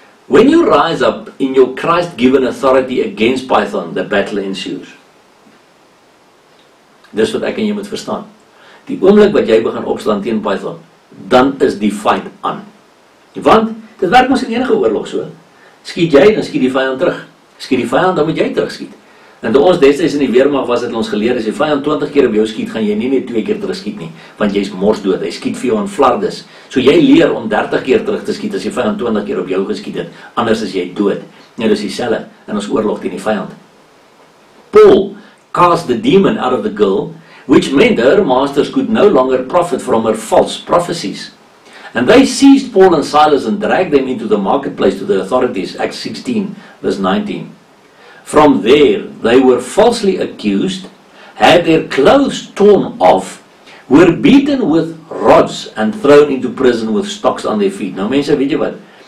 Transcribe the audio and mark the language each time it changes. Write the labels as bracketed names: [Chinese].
[English] When you rise up in your Christ-given authority against Python, the battle ensues. [Afrikaans] Dis wat ek en jy moet verstaan. Die oomblik wat jy begin opstaan teen Python, dan is die fight aan. Want, dit werk ons in enige oorlog so. Skiet jy, dan skiet die vijand terug. Skiet die vijand, dan moet jy terugskiet. En toe ons destijds in die Weermacht was, het ons geleer, as jy vijand 20 keer op jou skiet, gaan jy nie net 2 keer terug skiet nie, want jy is morsdood, hy skiet vir jou in flardes. So jy leer om 30 keer terug te skiet, as jy vijand 20 keer op jou geskiet het, anders is jy dood. Nou dis die selle in ons oorlog teen die vijand. [English] Paul cast the demon out of the girl, which meant her masters could no longer profit from her false prophecies. And they seized Paul and Silas and dragged them into the marketplace to the authorities, Acts 16, verse 19. From there, they were falsely accused, had their clothes torn off, were beaten with rods and thrown into prison with stocks on their feet. [Afrikaans] Nou mense, weet jy wat?